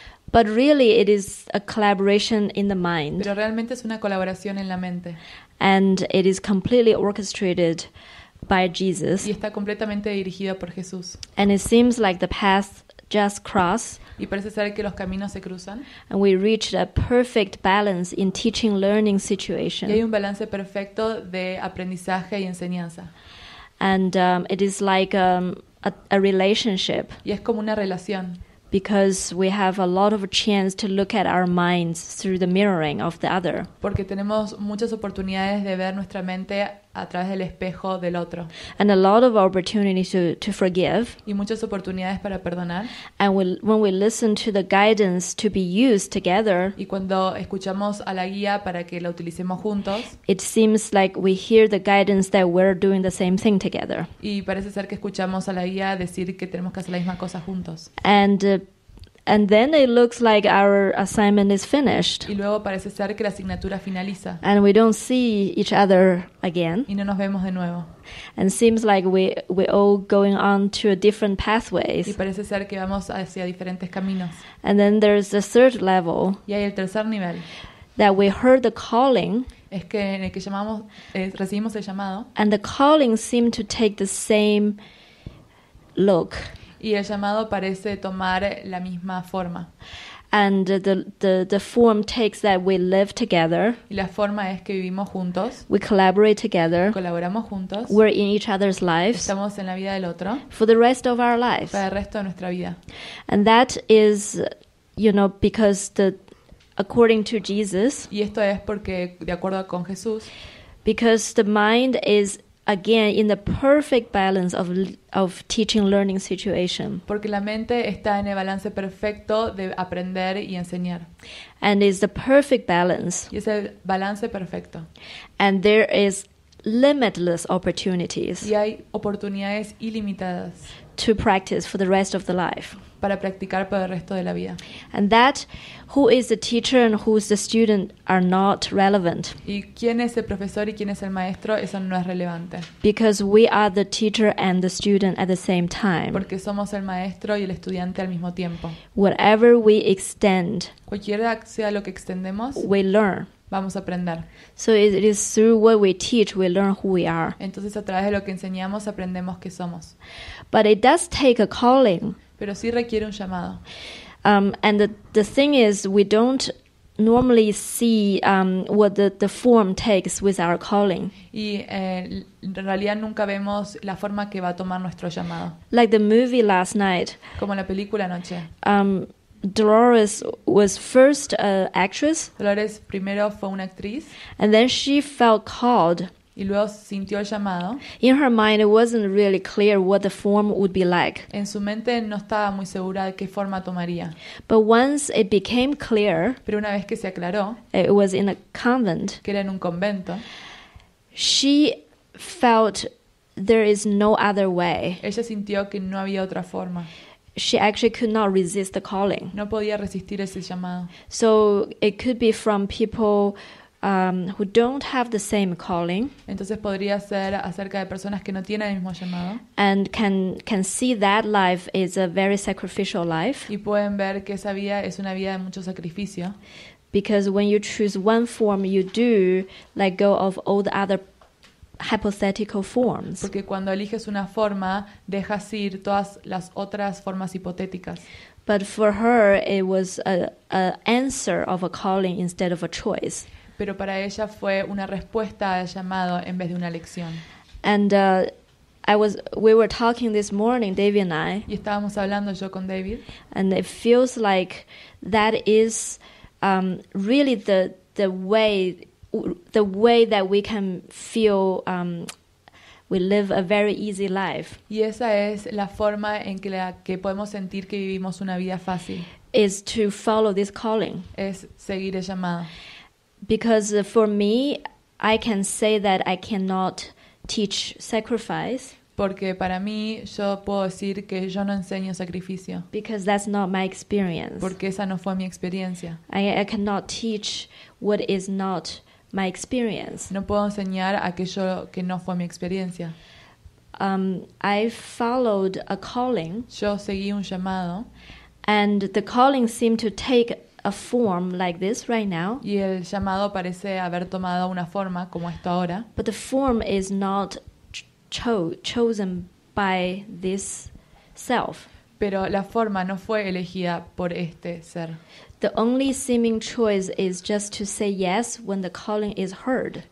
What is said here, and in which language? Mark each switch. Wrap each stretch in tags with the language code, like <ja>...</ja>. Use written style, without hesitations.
<en>But really it is a collaboration in the mind.</en> <es>Pero realmente es una colaboración en la mente.</es> <en>And it is completely orchestrated by Jesus.</en> <es>Y está completamente dirigida por Jesús.</es> <en>And it seems like the path just cross.</en> <es>Y parece ser que los caminos se cruzan.</es> <en>And we reach a perfect balance in teaching learning situation.</en> <es>Y hay un balance perfecto de aprendizaje y enseñanza.</es> <en>And it is like a relationship.</en> <es>Y es como una relación.</es> <en>Because we have a lot of chance to look at our minds through the mirroring of the other.</en> <es>Porque tenemos muchas oportunidades de ver nuestra mente a través del espejo del otro.</es> <en>And a lot of opportunities to forgive.</en> <es>Y muchas oportunidades para perdonar.</es> <en>And when we listen to the guidance to be used together.</en> <es>Y cuando escuchamos a la guía para que la utilicemos juntos.</es> <en>It seems like we hear the guidance that we're doing the same thing together.</en> <es>Y parece ser que escuchamos a la guía decir que tenemos que hacer la misma cosa juntos.</es> <en>And then it looks like our assignment is finished.</en> <es>Y luego parece ser que la asignatura finaliza.</es> <en>And we don't see each other again.</en> <es>Y no nos vemos de nuevo.</es> <en>And seems like we're all going on to a different pathways.</en> <es>Y parece ser que vamos hacia diferentes caminos.</es> <en>And then there's the third level.</en> <es>Y hay el tercer nivel.</es> <en>That we heard the calling.</en> <es>Es que en el que llamamos, recibimos el llamado.</es> <en>And the calling seemed to take the same look.</en> <es>Y el llamado parece tomar la misma forma.</es> <en>And the form takes that we live together.</en> <es>Y la forma es que vivimos juntos.</es> <en>We collaborate together.</en> <es>Colaboramos juntos.</es> <en>We're in each other's lives.</en> <es>Estamos en la vida del otro.</es> <en>For the rest of our lives.</en> <es>Para el resto de nuestra vida.</es> <en>And that is, you know, because according to Jesus.</en> <es>Y esto es porque de acuerdo con Jesús.</es> <en>Because the mind is again, in the perfect balance of teaching-learning situation.</en> <es>Porque la mente está en el balance perfecto de aprender y enseñar.</es> <en>And it's the perfect balance.</en> <es>Y es el balance perfecto.</es> <en>And there is limitless opportunities.</en> <es>Y hay oportunidades ilimitadas.</es> <en>To practice for the rest of the life.</en> <es>Para practicar por el resto de la vida.</es> <en>And that, who is the teacher and who is the student are not relevant.</en> <es>Y quién es el profesor y quién es el maestro, eso no es relevante.</es> <en>Because we are the teacher and the student at the same time.</en> <es>Porque somos el maestro y el estudiante al mismo tiempo.</es> <en>Whatever we extend,</en> <es>cualquiera sea lo que extendemos,</es> <en>we learn.</en> <es>Vamos a aprender.</es> <en>So it is through what we teach we learn who we are.</en> <es>Entonces a través de lo que enseñamos aprendemos qué somos.</es> <en>But it does take a calling.</en> <es>Pero sí requiere un llamado.</es> <en>And the thing is, we don't normally see what the form takes with our calling.</en> <es>Y en realidad nunca vemos la forma que va a tomar nuestro llamado.</es> <en>Like the movie last night.</en> <es>Como la película anoche.</es> <en>Dolores was first an actress.</en> <es>Dolores primero fue una actriz.</es> <en>And then she felt called.</en> <es>Y luego sintió el llamado.</es> <en>In her mind, it wasn't really clear what the form would be like.</en> <es>En su mente no estaba muy segura de qué forma tomaría.</es> <en>But once it became clear,</en> <es>pero una vez que se aclaró,</es> <en>it was in a convent,</en> <es>que era en un convento,</es> <en>she felt there is no other way.</en> <es>Ella sintió que no había otra forma.</es> <en>She actually could not resist the calling.</en> <es>No podía resistir ese llamado.</es> <en>So it could be from people who don't have the same calling.</en> <es>Entonces podría ser acerca de personas que no tienen el mismo llamado.</es> <en>And can see that life is a very sacrificial life.</en> <es>Y pueden ver que esa vida es una vida de mucho sacrificio.</es> <en>Because when you choose one form, you do let go of all the other hypothetical forms.</en> <es>Porque cuando eliges una forma, dejas ir todas las otras formas hipotéticas.</es> <en>But for her, it was a answer of a calling instead of a choice.</en> <es>Pero para ella fue una respuesta al llamado en vez de una elección.</es> <en>And we were talking this morning, David and I.</en> <es>Y estábamos hablando yo con David.</es> <en>And it feels like that is really the way that we can feel we live a very easy life.</en> <es>Y esa es la forma en que que podemos sentir que vivimos una vida fácil.</es> <en>Is to follow this calling.</en> <es>Es seguir el llamado.</es> <en>Because for me, I can say that I cannot teach sacrifice.</en> <es>Porque para mí, yo puedo decir que yo no enseño sacrificio.</es> <en>Because that's not my experience.</en> <es>Porque esa no fue mi experiencia.</es> <en>I cannot teach what is not my experience.</en> <es>No puedo enseñar aquello que no fue mi experiencia.</es> <en>I followed a calling.</en> <es>Yo seguí un llamado.</es> <en>And the calling seemed to take a form like this right now.</en> <es>Y el llamado parece haber tomado una forma como esto ahora.</es> <en>But the form is not chosen by this self.</en> <es>Pero la forma no fue elegida por este ser.</es> <en>The only seeming choice is just to say yes when the calling is heard.</en>